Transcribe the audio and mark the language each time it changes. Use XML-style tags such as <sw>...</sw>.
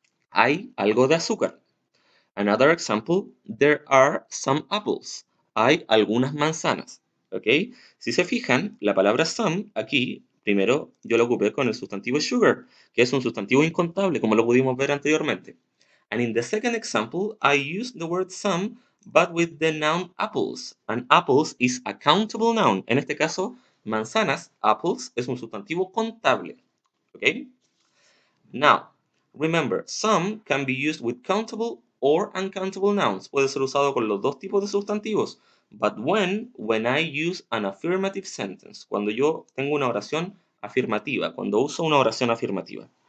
<es>Hay algo de azúcar.</es> <en>Another example, there are some apples.</en> <es>Hay algunas manzanas, ¿ok? Si se fijan, la palabra some, aquí, primero yo lo ocupé con el sustantivo sugar, que es un sustantivo incontable, como lo pudimos ver anteriormente.</es> <en>And in the second example, I use the word some, but with the noun apples. And apples is a countable noun.</en> <es>En este caso, manzanas, apples, es un sustantivo contable, ¿ok?</es> <en>Now, remember, some can be used with countable or uncountable nouns.</en> <es>Puede ser usado con los dos tipos de sustantivos,</es> <en>But when I use an affirmative sentence,</en> <es>cuando yo tengo una oración afirmativa, cuando uso una oración afirmativa.</es>